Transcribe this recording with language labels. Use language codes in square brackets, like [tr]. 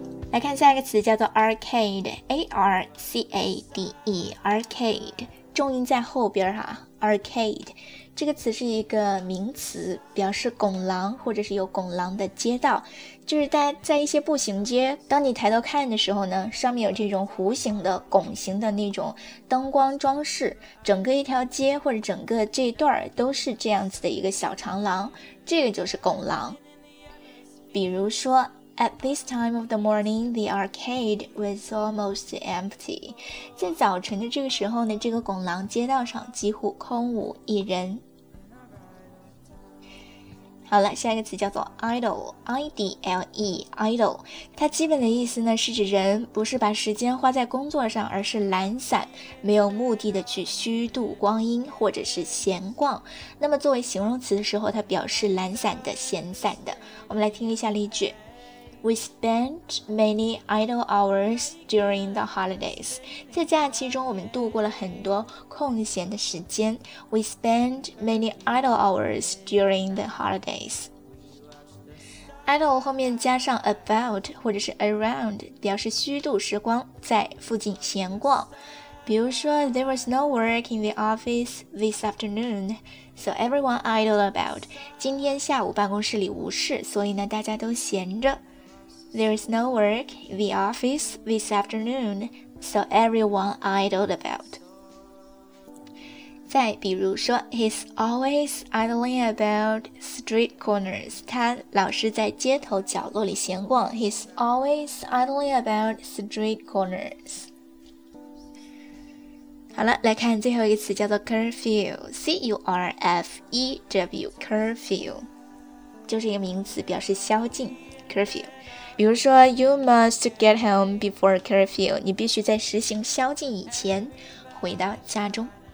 [zh] 来看下一个词，叫做 arcade，A-R-C-A-D-E， arcade， 重音在后边哈 ，arcade， 这个词是一个名词，表示拱廊或者是有拱廊的街道，就是在一些步行街，当你抬头看的时候呢，上面有这种弧形的、拱形的那种灯光装饰，整个一条街或者整个这段都是这样子的一个小长廊，这个就是拱廊。比如说 [en] At this time of the morning, the arcade was almost empty. [zh] 在早晨的这个时候呢，这个拱廊街道上几乎空无一人。好了，下一个词叫做 idle，I-D-L-E， idle， 它基本的意思呢是指人不是把时间花在工作上，而是懒散，没有目的的去虚度光阴或者是闲逛。那么作为形容词的时候，它表示懒散的、闲散的。我们来听一下例句。 [en] We spent many idle hours during the holidays. [zh] 在假期中我们度过了很多空闲的时间。 [en] We spent many idle hours during the holidays. [zh] Idle 后面加上 about 或者是 around 表示虚度时光，在附近闲逛。比如说 [en] There was no work in the office this afternoon, so everyone idled about. [zh] 今天下午办公室里无事，所以呢大家都闲着。 [en] There is no work in the office this afternoon, so everyone idled about. [zh] 再比如说 [en] he's always idling about street corners. [zh] 他老是在街头角落里闲逛。 [en] He's always idling about street corners. [zh] 好了，来看最后一个词叫做 curfew, C-U-R-F-E-W, curfew, 就是一个名词，表示宵禁。curfew. 比如说 [en] You must get home before curfew， [zh] 你必须在实行宵禁以前回到家中。